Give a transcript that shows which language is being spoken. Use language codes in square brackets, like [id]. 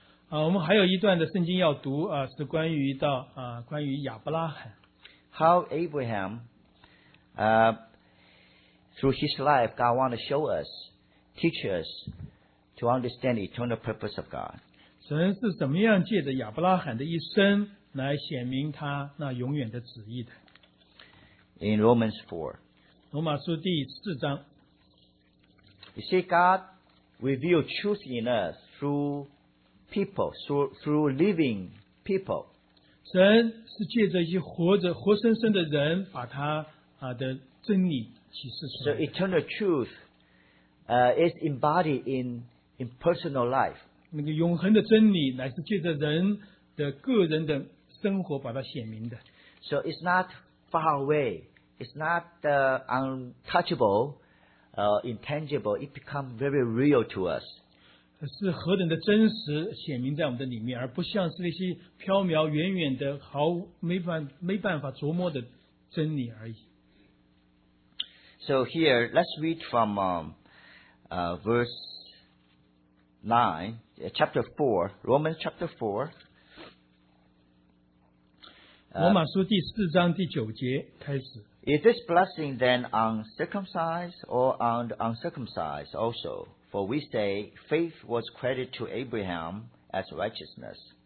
[zh] 我们还有一段的圣经要读是关于亚伯拉罕。 [en] How Abraham, through his life, God wants to show us, teach us to understand the eternal purpose of God. [zh] 神是怎么样借着亚伯拉罕的一生来显明他那永远的旨意的？ [en] In Romans 4, [zh] 罗马书第四章。 [en] You see, God revealed truth in us through people, through living people. [zh] 神是借着一活着活生生的人把他的真理启示出来。 [en] So eternal truth, is embodied in personal life. [zh] 那个永恒的真理乃是借着人的个人的生活把它显明的。 [en] So it's not far away, it's not untouchable, intangible, it becomes very real to us. [zh] 是何等的真实显明在我们的里面，而不像是那些飘渺远远的毫没办法琢磨的真理而已。 [en] So here, let's read from verse 9, chapter 4, Romans chapter 4. [zh] 罗马书第四章第九节开始。 [en] Is this blessing then uncircumcised or uncircumcised also? For we say, faith was credited to Abraham as righteousness.